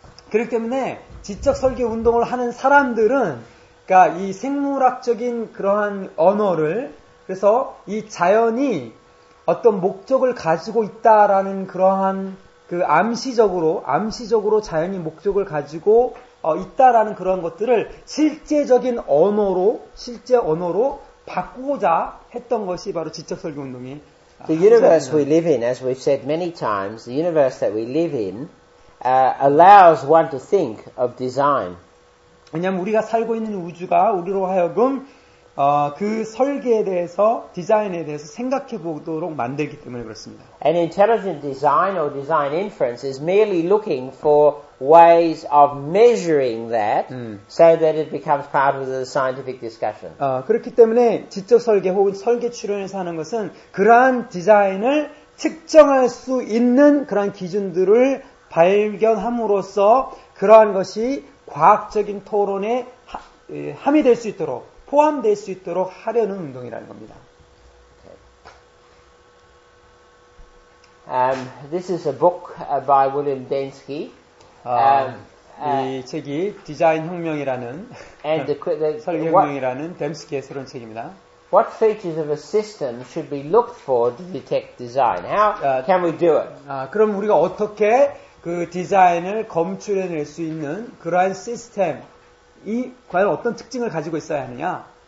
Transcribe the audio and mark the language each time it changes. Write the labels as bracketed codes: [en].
[ko] 그렇기 때문에 지적 설계 운동을 하는 사람들은 그러니까 이 생물학적인 그러한 언어를 그래서 이 자연이 어떤 목적을 가지고 있다라는 그러한 그 암시적으로 자연이 목적을 가지고 있다라는 그러한 것들을 실제적인 언어로 실제 언어로 바꾸고자 했던 것이 바로 지적 설계 운동이 [en] The universe we live in, as we've said many times, the universe that we live in allows one to think of design. [ko] 왜냐하면 우리가 살고 있는 우주가 우리로 하여금 그 설계에 대해서 디자인에 대해서 생각해 보도록 만들기 때문에 그렇습니다. [en] An intelligent design or design inference is merely looking for ways of measuring that so that it becomes part of the scientific discussion. [ko] 그렇기 때문에 지적 설계 혹은 설계 추론에서 하는 것은 그러한 디자인을 측정할 수 있는 그러한 기준들을 발견함으로써 그러한 것이 과학적인 토론에 함이 될 수 있도록 포함될 수 있도록 하려는 운동이라는 겁니다. [en] This is a book by William Densky. [ko] 이 책이 디자인 혁명이라는 설계혁명이라는 덴스키의 새로운 책입니다. [en] What features of a system should be looked for to detect design? How can we do it? [ko] 그럼 우리가 어떻게 그 디자인을 검출해낼 수 있는 그러한 시스템 이 과연 어떤 특징을 가지고 있어야 하느냐?